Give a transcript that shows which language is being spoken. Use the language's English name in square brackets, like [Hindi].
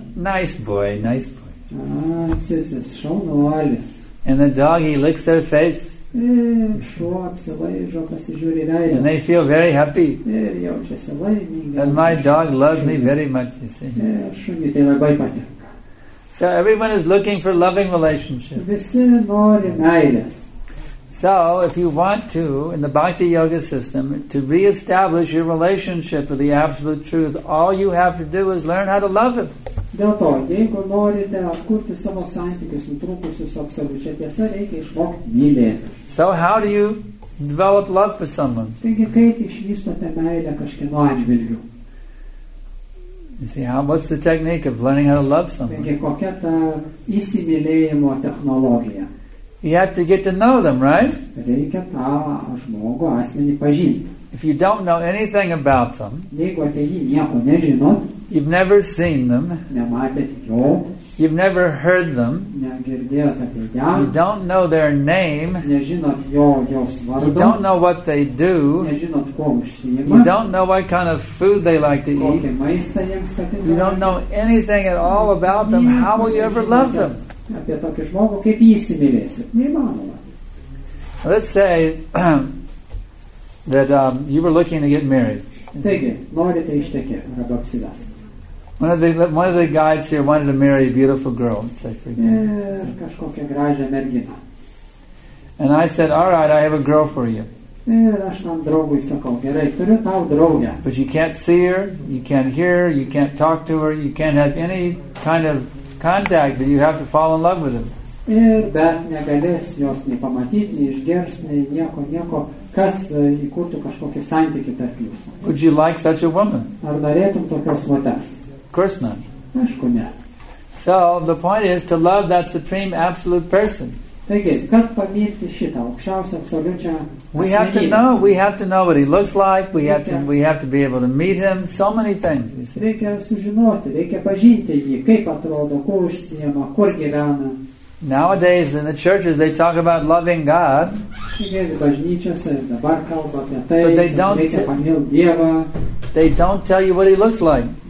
[English] Nice boy, nice boy. [Lithuanian] Cicis, šaunuolis. [English] And the dog, he licks their face. And they feel very happy. And my dog loves me very much, you see. [Lithuanian] Šunį tai labai patinka. [English] So everyone is looking for loving relationships. [Lithuanian] Visi nori meilės. [English] So if you want to, in the Bhakti Yoga system, to reestablish your relationship with the Absolute Truth, all you have to do is learn how to love it. [Lithuanian] Dėl to, jeigu norite atkurti savo santykius nutrūkusius absoliučia tiesa, reikia išmokti mylėti. [English] So how do you develop love for someone? [Lithuanian] Taigi, kaip išvystote meilę kažkieno atžvilgiu? [English] You see, how, what's the technique of learning how to love someone? You have to get to know them, right? [Lithuanian] Reikia tą žmogų, asmenį pažinti. [English] If you don't know anything about them, [Lithuanian] jeigu apie jį nieko nežinot, [English] you've never seen them, [Lithuanian] nematėt jo, [English] you've never heard them, [Lithuanian] negirdėjot apie ją, [English] you don't know their name, [Lithuanian] nežinot jos vardo, [English] you don't know what they do, [Lithuanian] nežinot ko užsiima, [English] you don't know what kind of food they like to eat, [Lithuanian] kokį maistą jiems patinka, [English] you don't know anything at all about them, how will you ever love them? [Lithuanian] Apie tokį žmogų, kaip jį įsimylėsit? Neįmanoma. [English] Let's say that you were looking to get married. [Lithuanian] Taigi, norite ištekėti arba apsivesti. [English] One of the guys here wanted to marry a beautiful girl, say for example. [Lithuanian] Kažkokia gražią merginą. [English] And I said, all right, I have a girl for you. [Lithuanian] Ir aš tam draugui sakau, gerai, turiu tau draugę. [English] But you can't see her, you can't hear her, you can't talk to her, you can't have any kind of contact, but you have to fall in love with him. [Lithuanian] Ir bet negalės jos nei pamatyti, nei išgirsti, nei nieko, nieko, kas įkurtų kažkokį santykį tarp jūsų. [English] Would you like such a woman? [Lithuanian] Ar norėtum tokios moters? [English] Of course not. [Lithuanian] Aišku, ne. [English] So the point is to love that supreme absolute person. [Lithuanian] Taigi, kad pamirti šitą aukščiausią absoliučią [English] we have to know. We have to know what he looks like. We have to be able to meet him. So many things. [Lithuanian] Reikia sužinoti, reikia pažinti jį, kaip atrodo, kur užsiema, kur gyvena. [English] Nowadays in the churches they talk about loving God. But they don't tell you what he looks like.